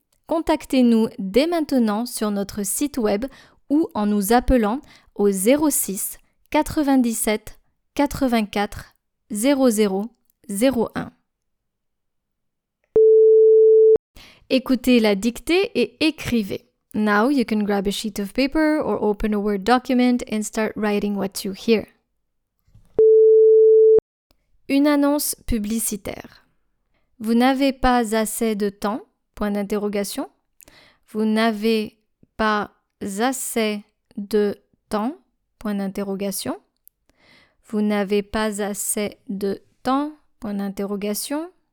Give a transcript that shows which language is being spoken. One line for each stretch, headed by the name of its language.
French: Contactez-nous dès maintenant sur notre site web ou en nous appelant au 06 97 84 00 01. Écoutez la dictée et écrivez.
English: Now you can grab a sheet of paper or open a Word document and start writing what you hear.
French: Une annonce publicitaire. Vous n'avez pas assez de temps, point d'interrogation. Vous n'avez pas assez de temps, point d'interrogation. Vous n'avez pas assez de temps, point d'interrogation.